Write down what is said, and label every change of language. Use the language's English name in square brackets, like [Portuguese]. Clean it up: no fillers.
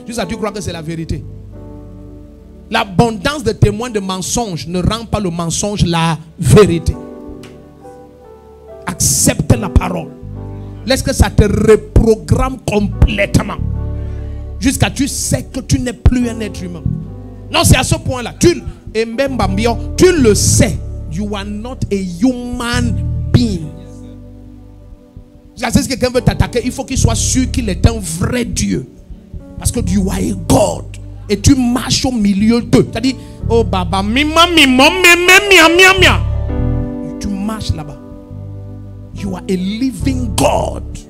[French] Juste à tu crois que c'est la vérité. L'abondance de témoins de mensonges ne rend pas le mensonge la vérité. Accepte la parole. Laisse que ça te reprogramme complètement. Jusqu'à tu sais que tu n'es plus un être humain. Non, c'est à ce point-là. Tu le sais. [English] You are not a human being. [French] Si quelqu'un veut t'attaquer, il faut qu'il soit sûr qu'il est un vrai Dieu. Parce que [English] you are a God. [French] Et tu marches au milieu d'eux. C'est-à-dire, oh baba, mima, mima, mima, mima, mima, mima. Tu marches là-bas. [English] You are a living God.